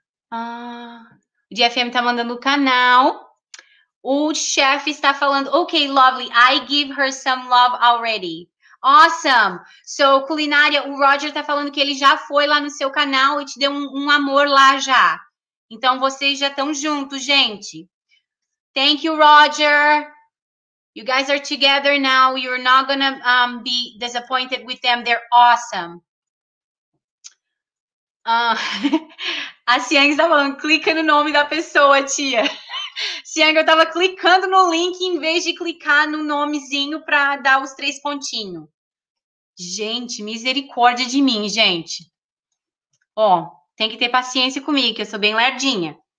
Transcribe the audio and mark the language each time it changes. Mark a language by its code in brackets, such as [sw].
[pt] Ah, o DFM tá mandando o canal. O chefe está falando, [en] okay, lovely, I give her some love already. Awesome. [pt] So, culinária, o Roger tá falando que ele já foi lá no seu canal e te deu um amor lá já. Então, vocês já estão juntos, gente. [en] Thank you, Roger. You guys are together now. You're not gonna be disappointed with them. They're awesome. [pt] A Siang está falando, clica no nome da pessoa, tia. Siang, eu estava clicando no link em vez de clicar no nomezinho para dar os três pontinhos. Gente, misericórdia de mim, gente. Ó, tem que ter paciência comigo, que eu sou bem lerdinha.